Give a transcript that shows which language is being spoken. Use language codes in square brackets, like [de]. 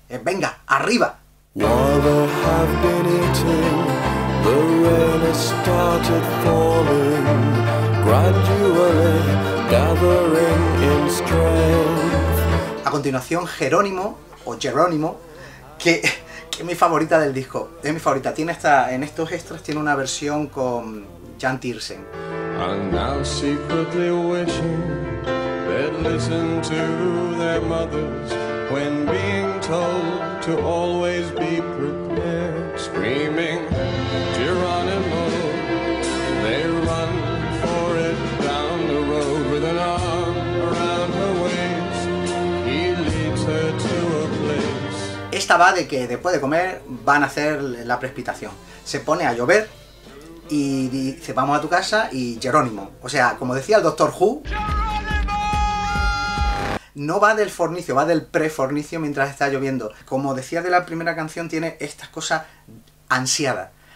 [es] Es ¡venga, arriba! [en] Mother have been eaten, the rain has started falling, gradually gathering in strength. [es] A continuación, Jerónimo, o Jerónimo, que es mi favorita del disco. Es mi favorita. Tiene esta, en estos extras tiene una versión con Jan Tiersen. [en] And now secretly wishing they'd listen to their mothers when being told to always be prepared, screaming Geronimo, they run for it down the road with an arm around her waist, he leads her to a place. [es] Esta va de que después de comer van a hacer la precipitación, se pone a llover y dice vamos a tu casa y Geronimo, o sea, como decía el Doctor Who, no va del fornicio, va del prefornicio mientras está lloviendo. Como decía de la primera canción, tiene estas cosas ansiadas.